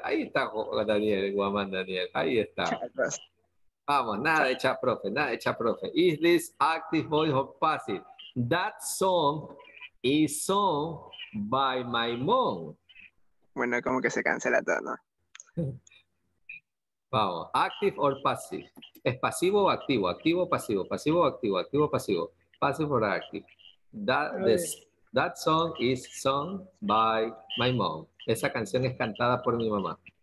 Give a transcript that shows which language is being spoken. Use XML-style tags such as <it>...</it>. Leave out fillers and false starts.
<es>Ahí está Daniel, Guamán Daniel. Ahí está. Vamos, nada de chat, profe.</es> <en>Is this active voice or passive? That song is sung by my mom.</en> <es>Bueno, como que se cancela todo, ¿no? Vamos,</es> <en>active or passive.</en> <es>¿Es pasivo o activo? Activo o pasivo. Pasivo o activo. Activo o pasivo.</es> <en>Passive or active. That song is sung by my mom.</en> <es>Esa canción es cantada por mi mamá.</es>